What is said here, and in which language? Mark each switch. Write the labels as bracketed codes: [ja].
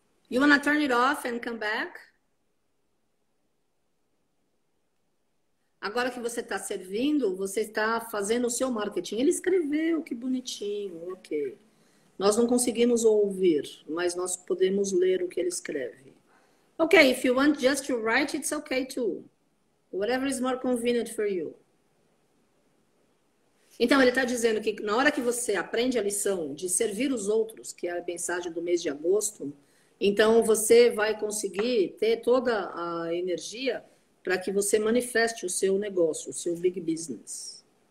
[en] You want to turn it off and come back? [pt] Agora que você está servindo, você está fazendo o seu marketing. Ele escreveu, que bonitinho, ok. Nós não conseguimos ouvir, mas nós podemos ler o que ele escreve. [en] Ok, if you want just to write, it's okay too. Whatever is more convenient for you. [pt] Então, ele está dizendo que na hora que você aprende a lição de servir os outros, que é a mensagem do mês de agosto, então você vai conseguir ter toda a energia para que você manifeste o seu negócio, o seu big business.